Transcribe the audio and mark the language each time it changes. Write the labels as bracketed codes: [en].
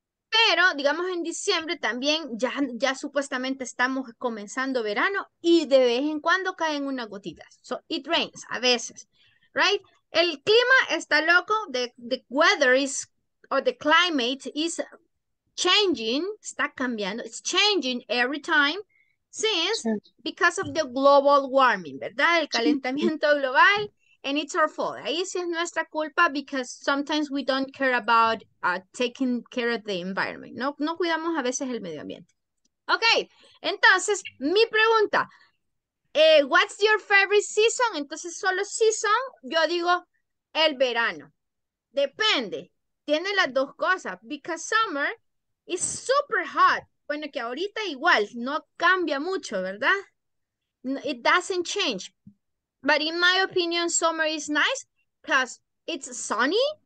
[es] Pero, digamos, en diciembre también ya supuestamente estamos comenzando verano y de vez en cuando caen unas gotitas. [en] So, it rains [es] a veces, right? El clima está loco. [en] The weather is, or the climate is changing. [es] Está cambiando. [en] It's changing every time. [es] Sí, es [en] because of the global warming, [es] ¿verdad? El calentamiento global, [en] and it's our fault. [es] Ahí sí es nuestra culpa, [en] because sometimes we don't care about taking care of the environment. [es] No, no cuidamos a veces el medio ambiente. Ok, entonces, mi pregunta. [en] What's your favorite season? [es] Entonces, solo season, yo digo el verano. Depende. Tiene las dos cosas. [en] Because summer is super hot. [es] Bueno, que ahorita igual no cambia mucho, ¿verdad? [en] No, it doesn't change. But in my opinion, summer is nice because it's sunny.